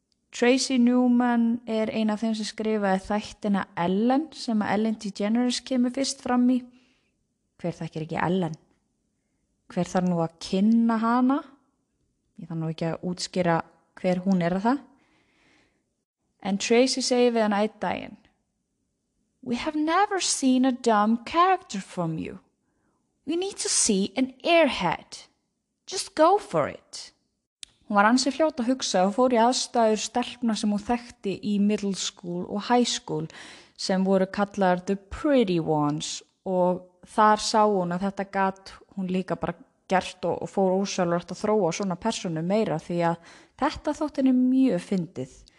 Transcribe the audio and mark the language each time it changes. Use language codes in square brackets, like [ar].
[is] Tracy Newman ein af þeim sem skrifaði þættina Ellen sem að Ellen DeGeneres kemur fyrst fram í. Hver þekkir ekki Ellen? Hver þarf nú að kynna hana? Ég þarf nú ekki að útskýra hver hún að það. En Tracy segir við hann einn daginn. [en] We have never seen a dumb character from you. We need to see an airhead. Just go for it. [is] Hún var ansi fljót að hugsa og fór í aðstæður stelpna sem hún þekkti í middle school og high school sem voru kallaðar [en] the pretty ones [is] og þar sá hún að þetta gat hún líka bara gert og fór ósjálfrátt að þróa svona personu meira því að þetta þótti henni mjög fyndið.